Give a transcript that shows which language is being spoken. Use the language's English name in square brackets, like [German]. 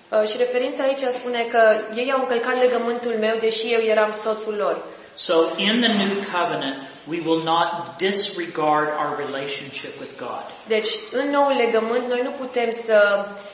[Romanian] Și referința aici spune că ei au încălcat legământul meu deși eu eram soțul lor. [English] So in the new covenant, we will not disregard our relationship with God. [Romanian] Deci în noul legământ noi nu putem să